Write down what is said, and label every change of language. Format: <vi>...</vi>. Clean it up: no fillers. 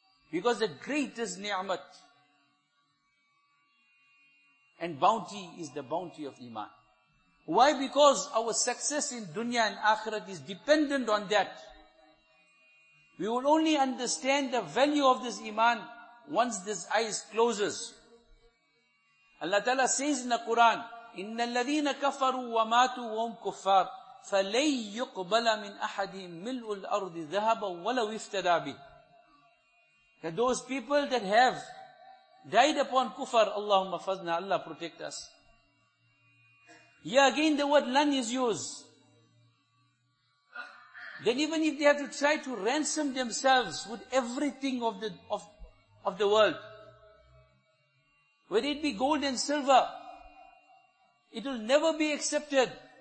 <en>Because the greatest ni'mat and bounty is the bounty of Iman. Why? Because our success in dunya and akhirat is dependent on that. We will only understand the value of this Iman once this eyes closes. Allah Ta'ala says in the Quran,</en> <ar>إِنَّ الَّذِينَ كَفَرُوا وَمَاتُوا وَهُمْ كُفَّارُ فَلَيْ يُقْبَلَ مِنْ أَحَدِهِمْ مِلْءُ الْأَرْضِ ذَهَبًا وَلَوْ افْتَدَى بِهِ.</ar> <en>That those people that have died upon kufr, Allahumma fazna, Allah protect us. Yeah, again the word lan is used. Then even if they have to try to ransom themselves with everything of the world, whether it be gold and silver, it will never be accepted.</en>